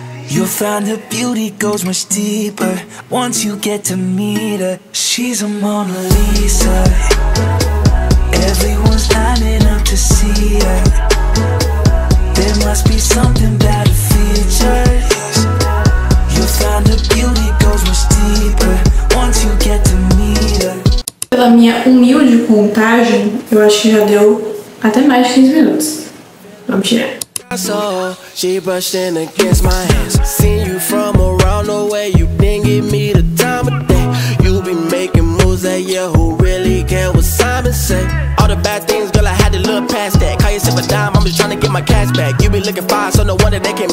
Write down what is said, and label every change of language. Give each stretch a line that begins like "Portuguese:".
English: You find her beauty goes much deeper. Once you get to meet her, she's a Mona Lisa. Everyone's lining up to see her. There must be something about her features. You find her beauty goes much deeper. Once you get to meet her.
Portuguese: Pela minha humilde contagem, eu acho que já deu até mais de 15 minutos. Vamos tirar.
English: So she brushed in against my hands. Seen you from around the way. You been giving me the time of day. You be making moves that, yeah, who really care what Simon say? All the bad things, girl, I had to look past that. Call yourself a dime, I'm just trying to get my cash back. You be looking fine, so no wonder they can't.